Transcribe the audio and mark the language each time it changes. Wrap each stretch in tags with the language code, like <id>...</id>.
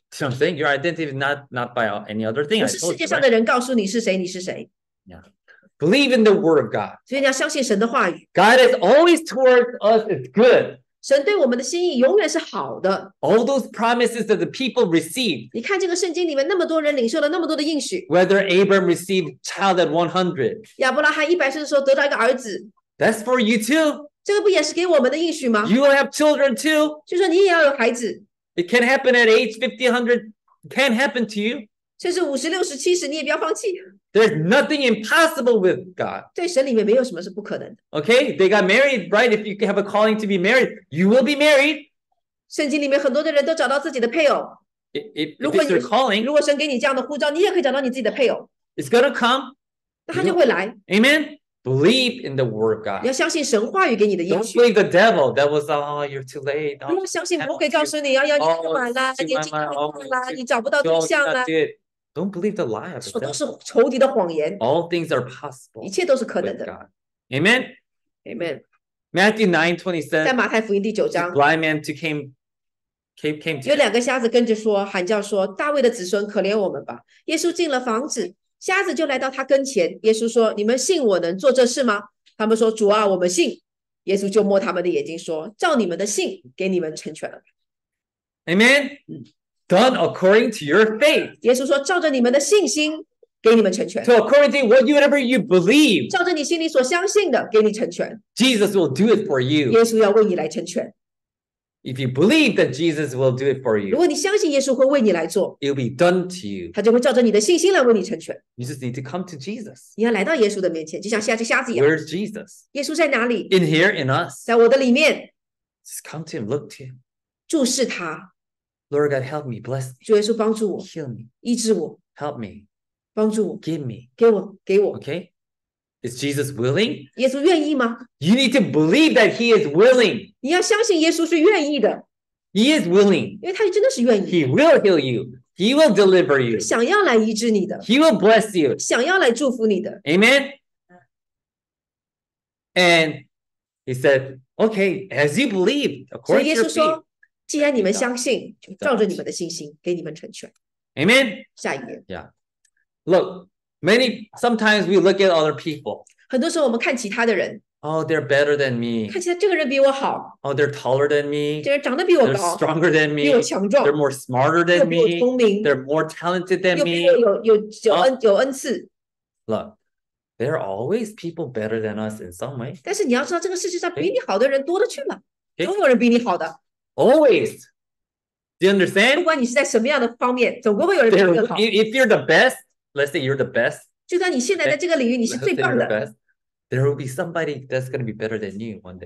<en>So I'm saying your identity is not by any other thing.</en> <zh>不是世界上的人告诉你是谁，你是谁。</zh> <en>Yeah. Believe in the word of God.</en> <zh>所以你要相信神的话语。</zh> <en>God is always towards us, it's good.</en> <zh>神对我们的心意永远是好的。</zh> <en>All those promises that the people received.</en> <zh>你看这个圣经里面那么多人领受了那么多的应许。</zh> <en>Whether Abraham received child at 100.</en> <zh>亚伯拉罕一百岁的时候得到一个儿子。</zh> <en>That's for you too.</en> <zh>这个不也是给我们的应许吗</zh> <en>？You will have children too.</en> <zh>就说你也要有孩子。</zh> <en>It can happen at age 50, 100. Can happen to you.</en> <zh>甚至五十六十七十，你也不要放弃。</zh> <en>There's nothing impossible with God.</en> <zh>对神里面没有什么是不可能的。</zh> <en>Okay, they got married, right? If you have a calling to be married, you will be married.</en> <zh>圣经里面很多的人都找到自己的配偶。</zh> <en>If it's your calling,</en> <zh>如果神给你这样的呼召，你也可以找到你自己的配偶。</zh> <en>It's gonna come.</en> <zh>那他就会来。</zh> <en>Amen. Believe in the word of God.</en> <zh>要相信神话语给你的应许。</zh> <en>Don't believe the devil. That was you're too late.</en> <zh>不要相信魔鬼告诉你要你不满啦，年纪太大啦，你找不到对象啦。</zh> <en>Don't believe the lie.</en> <zh>说都是仇敌的谎言。</zh> <en>All things are possible.</en> <zh>一切都是可能的。</zh> <en>Amen. Amen. Matthew 9:27.</en> <zh>在马太福音第九章。</zh> <en>Blind man to came to.</en> <zh>有两个瞎子跟着说，喊叫说：“大卫的子孙，可怜我们吧！” 耶稣进了房子。瞎子就来到他跟前，耶稣说：“你们信我能做这事吗？” 他们说：“主啊，我们信。” 耶稣就摸他们的眼睛说：“照你们的信，给你们成全了。”</zh> <en>Amen. Done according to your faith.</en> <zh>耶稣说：“照着你们的信心，给你们成全。”</zh> <en>So according to whatever you believe.</en> <zh>照着你心里所相信的，给你成全。</zh> <en>Jesus will do it for you.</en> <zh>耶稣要为你来成全。</zh> <en>If you believe that Jesus will do it for you,</en> <zh>如果你相信耶稣会为你来做</zh> <en>it'll be done to you.</en> <zh>他就会照着你的信心来为你成全。</zh> <en>You just need to come to Jesus.</en> <zh>你要来到耶稣的面前，就像瞎子瞎子一样。</zh> <en>Where's Jesus?</en> <zh>耶稣在哪里？</zh> <en>In here, in us.</en> <zh>在我的里面。</zh> <en>Just come to him, look to him.</en> <zh>注视他。</zh> <en>Lord God, help me, bless me.</en> <zh>主耶稣帮助我。</zh> <en>Heal me.</en> <zh>医治我。</zh> <en>Help me.</en> <zh>帮助我。</zh> <en>Give me.</en> <zh>给我，给我。</zh> <en>Okay. Is Jesus willing?</en> <zh>耶稣愿意吗？</zh> <en>You need to believe that He is willing.</en> <zh>你要相信耶稣是愿意的。</zh> <en>He is willing.</en> <zh>因为他真的是愿意。</zh> <en>He will heal you. He will deliver you.</en> <zh>想要来医治你的。</zh> <en>He will bless you.</en> <zh>想要来祝福你的。</zh> <en>Amen. And He said, "Okay, as you believe, according to your faith."</en> <zh>耶稣说，既然你们相信，就照着你们的信心给你们成全。</zh> <en>Amen.</en> <zh>下一页。</zh> <en>Yeah. Look. Sometimes we look at other people.</en> <zh>很多时候我们看其他的人。</zh> <en>Oh, they're better than me.</en> <zh>看起来这个人比我好。</zh> <en>Oh, they're taller than me.</en> <zh>这个人长得比我高。</zh> <en>They're stronger than me.</en> <zh>比我强壮。</zh> <en>They're more smarter than me.</en> <zh>又比我聪明。</zh> <en>They're more talented than me.</en> <zh>又比我有恩赐。</zh> <en>Look, there are always people better than us in some way.</en> <zh>但是你要知道，这个世界上比你好的人多得去了，总有人比你好的。</zh> <en>Always. Do you understand?</en> <zh>不管你是在什么样的方面，总会有人比你好。</zh> <en>If you're the best. Let's say you're the best.</en> <zh>就算你现在在这个领域你是最棒的。</zh> <en>There will be somebody that's going to be better than you one day.</en>